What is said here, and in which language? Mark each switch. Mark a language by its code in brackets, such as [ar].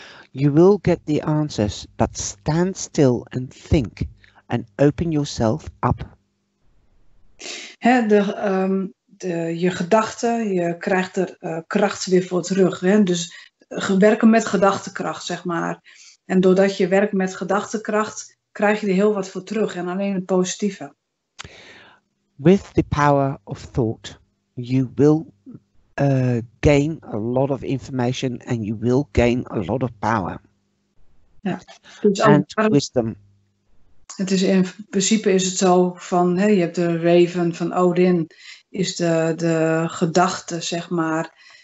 [en] You will get the answers, but stand still and think and open yourself up. [nl] He, je gedachten, je krijgt er kracht weer voor terug. Hè? Dus werken met gedachtenkracht, zeg maar. En doordat je werkt met gedachtenkracht, krijg je er heel wat voor terug en alleen het positieve. [en] With the power of thought, you will gain a lot of information and you will gain a lot of power. [nl] Ja, [en] and [nl] waarom, [en] wisdom. [nl] Het is in principe is het zo van, hè, je hebt de raven van Odin, is de gedachte, zeg maar.